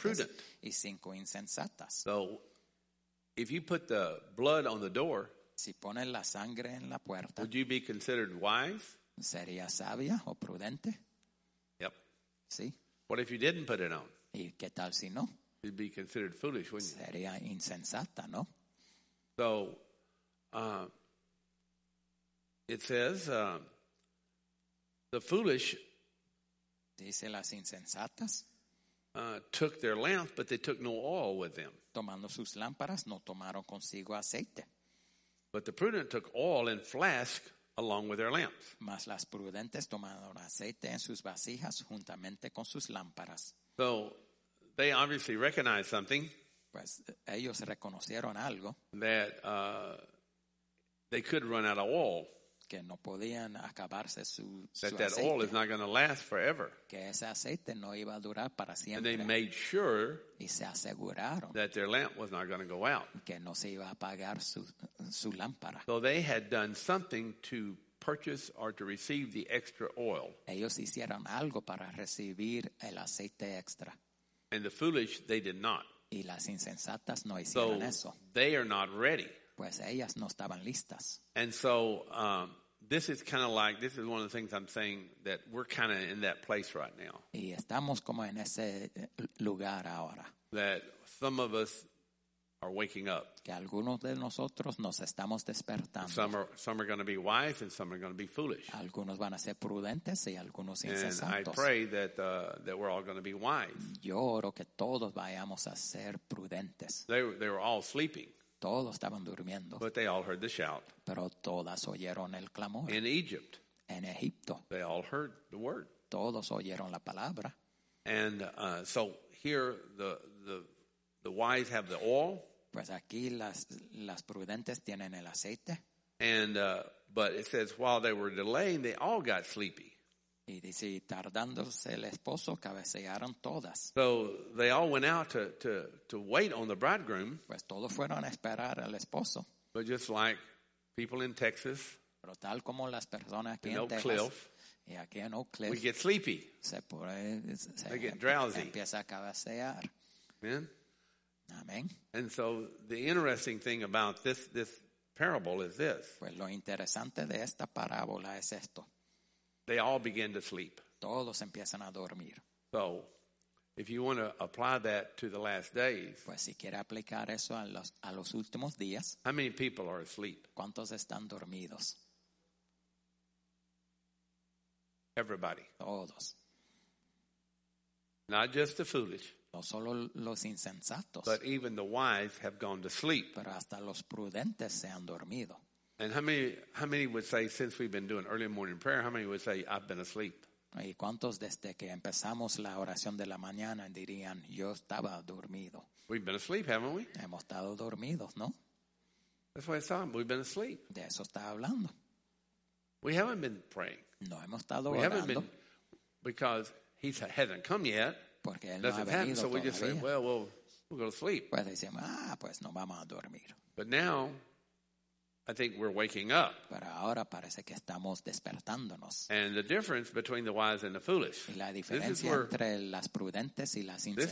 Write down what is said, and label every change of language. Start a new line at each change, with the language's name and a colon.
English: prudent.
Spanish: Y 5 insensatas.
English: So, if you put the blood on the door,
Spanish: si pones la sangre en la puerta,
English: would you be considered wise?
Spanish: ¿Sería sabia o prudente?
English: Yep.
Spanish: Sí.
English: What if you didn't put it on?
Spanish: ¿Y qué tal si no?
English: You'd be considered foolish, wouldn't you?
Spanish: Sería insensata, ¿no?
English: So, it says, the foolish
Spanish: dice las insensatas,
English: took their lamps, but they took no oil with them.
Spanish: Tomando sus lámparas, no tomaron consigo aceite.
English: But the prudent took oil in flasks along with their lamps.
Spanish: Mas las prudentes tomaron aceite en sus vasijas juntamente con sus lámparas.
English: So they obviously recognized something.
Spanish: Pues ellos reconocieron algo.
English: That they could run out of oil.
Spanish: Que no podían acabarse su aceite.
English: That oil is not going to last forever.
Spanish: Que ese aceite no iba a durar para siempre.
English: And they made sure
Spanish: y se aseguraron
English: that their lamp was not going to go out.
Spanish: Que no se iba a apagar su lámpara.
English: So they had done something to purchase or to receive the extra oil.
Spanish: Ellos hicieron algo para recibir el aceite extra.
English: And the foolish, they did not.
Spanish: Y las insensatas no hicieron
English: so
Spanish: eso.
English: They are not ready.
Spanish: Pues ellas no estaban listas.
English: And so this is kind of like, this is one of the things I'm saying, that we're kind of in that place right now.
Spanish: Y estamos como en ese lugar ahora.
English: That some of us are waking up.
Spanish: Que algunos de nosotros nos estamos despertando.
English: Some are going to be wise and some are going to be foolish.
Spanish: Algunos van a ser prudentes y algunos insensatos.
English: And I pray that that we're all going to be wise.
Spanish: Yo oro que todos vayamos a ser prudentes.
English: They were all sleeping.
Spanish: Todos estaban durmiendo.
English: But they all heard the shout.
Spanish: Pero todas oyeron el clamor.
English: In Egypt.
Spanish: En Egipto.
English: They all heard the word.
Spanish: Todos oyeron la palabra.
English: And so here the wise have the oil.
Spanish: Pues aquí las prudentes tienen el aceite.
English: And but it says while they were delaying, they all got sleepy.
Spanish: Y dice, tardándose el esposo, cabecearon todas.
English: So they all went out to wait on the bridegroom.
Spanish: Pues todos fueron a esperar al esposo.
English: But just like people in Texas.
Spanish: Pero tal como las personas aquí en Texas. Cliff, y aquí en Oak Cliff.
English: We get sleepy. They get drowsy.
Spanish: Empieza a cabecear.
English: Amen.
Spanish: Amen.
English: And so the interesting thing about this parable is this.
Spanish: Pues lo interesante de esta parábola es esto.
English: They all begin to sleep.
Spanish: Todos empiezan a dormir.
English: So, if you want to apply that to the last days.
Spanish: Pues si quiere aplicar eso a los últimos días.
English: How many people are asleep?
Spanish: ¿Cuántos están dormidos?
English: Everybody.
Spanish: Todos.
English: Not just the foolish.
Spanish: No solo los insensatos.
English: But even the wise have gone to sleep.
Spanish: Pero hasta los prudentes se han dormido.
English: And how many would say, since we've been doing early morning prayer, how many would say, I've been asleep?
Spanish: ¿Y cuántos desde que empezamos la oración de la mañana dirían, yo estaba dormido?
English: We've been asleep, haven't we?
Spanish: Hemos estado dormidos, ¿no?
English: That's what it's talking about. We've been asleep.
Spanish: De eso está hablando.
English: We haven't been praying.
Spanish: No hemos estado orando.
English: We haven't been, because he hasn't come yet.
Spanish: Porque él no ha venido todavía.
English: So we just say, well, we'll go to sleep.
Spanish: Pues decimos, pues no vamos a dormir.
English: But now, I think we're waking up.
Spanish: Pero ahora parece que estamos despertándonos.
English: And the difference between the wise and the foolish.
Spanish: Y la diferencia entre las prudentes y las insensatas.